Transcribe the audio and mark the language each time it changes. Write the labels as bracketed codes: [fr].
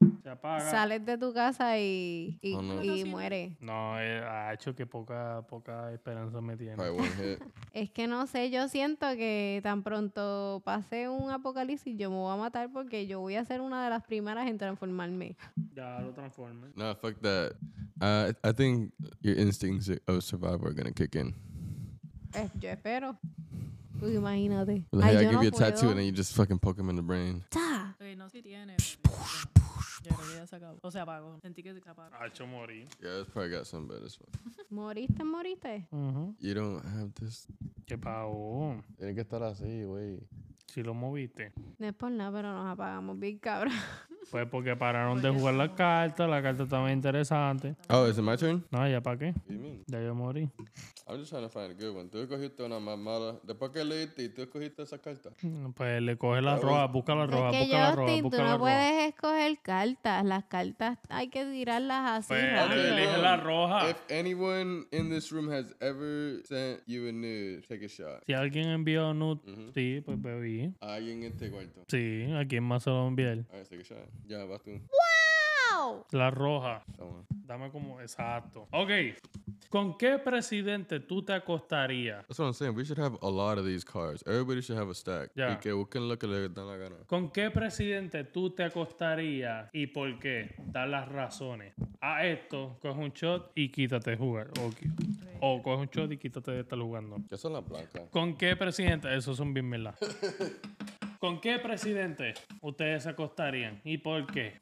[es] Se apaga. Sales de tu casa y mueres. No, ha hecho que poca esperanza me tiene. Es que no sé, yo siento que tan pronto pase un apocalipsis yo me voy a matar porque yo voy a ser una de las primeras en transformarme. Ya lo transformé. [en] No, fuck that. I think your instincts of survival are gonna kick in. [es] Yo espero. Pues imagínate. [en] Like, ay, I give you a tattoo and then you just fucking poke him in the brain. ¡Ta! [es] Okay, no, si tiene. Psh. Ya creo que ya se acabó. O sea, apagó. Sentí que se apagó. Ha hecho morir. [en] Yeah, it's probably got some better stuff. [es] ¿Moriste? [en] Uh-huh. You don't have this. [es] ¿Qué pagó? Tiene que estar así, güey. Si lo moviste. No es por nada, pero nos apagamos bien, cabrón. Pues porque pararon de jugar las cartas. La carta estaba interesante. Oh, ¿es mi turn? No, ¿ya para qué? ¿Qué mean? Ya yo morí. [en] I'm just trying to find a good one. [es] Tú escogiste una más mala. ¿Después que leíste y tú escogiste esa carta? Pues le coge la roja. Busca la roja. Es que Justin, tú no puedes escoger cartas. Las cartas hay que tirarlas así. Pues elige la roja. [en] If anyone in this room has ever sent you a nude, take a shot. [es] Si alguien envió a nude, mm-hmm. Sí, pues bebí. ¿A alguien en este cuarto? Sí, ¿a quién más se lo envié? All [en] right, take a shot. [es] Ya, vas tú. ¡Wow! La roja. Dame como exacto. Ok. ¿Con qué presidente tú te acostarías? [en] That's what I'm saying. We should have a lot of these cards. Everybody should have a stack. Yeah. [es] Y que busquen lo que le dan la gana. ¿Con qué presidente tú te acostarías y por qué? Da las razones. A esto, coge un shot y quítate de jugar. Okay. O coge un shot y quítate de estar jugando. ¿Qué son las blancas? ¿Con qué presidente? Esos son bien milagros. ¿Con qué presidente ustedes se acostarían? ¿Y por qué?